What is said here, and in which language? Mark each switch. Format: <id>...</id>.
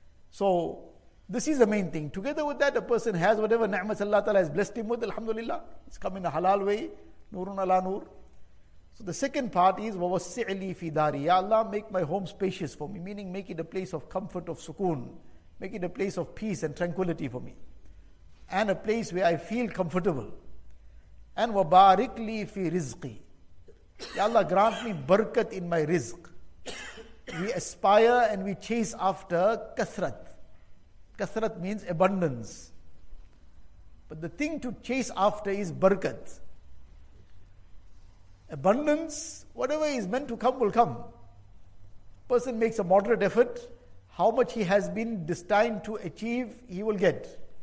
<en>So this is the main thing. Together with that, a person has whatever ni'mat Allah Ta'ala has blessed him with, alhamdulillah, it's come in a halal way,</en> <ar>nurun ala nur.</ar> <en>So the second part is</en> <ar>وَوَسِّعْلِي فِي دَارِي.</ar> <en>Ya Allah, make my home spacious for me. Meaning make it a place of comfort, of sukoon. Make it a place of peace and tranquility for me. And a place where I feel comfortable.</en> <ar>And وَبَارِكْلِي فِي رِزْقِي.</ar> <en>Ya Allah, grant me barakat in my rizq. We aspire and we chase after kathrat. Kathrat means abundance. But the thing to chase after is barakat. Abundance, whatever is meant to come, will come. Person makes a moderate effort, how much he has been destined to achieve, he will get.</en>